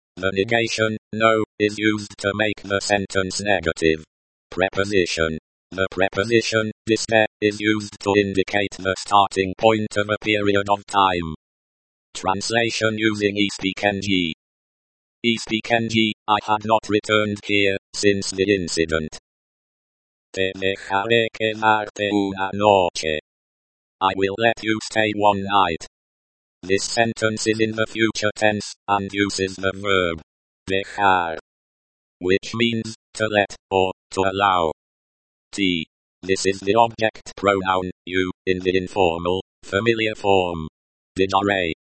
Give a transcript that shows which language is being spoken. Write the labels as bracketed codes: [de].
[en] The negation, no, is used to make the sentence negative. Preposition. The preposition, desde, is used to indicate the starting point of a period of time. Translation using Ispikenji. Ispikenji, I had not returned here since the incident. [es] Te dejaré quedarte una noche. [en] I will let you stay one night. This sentence is in the future tense and uses the verb dejar, which means to let or to allow. T. This is the object pronoun, you, in the informal, familiar form. Dejaré.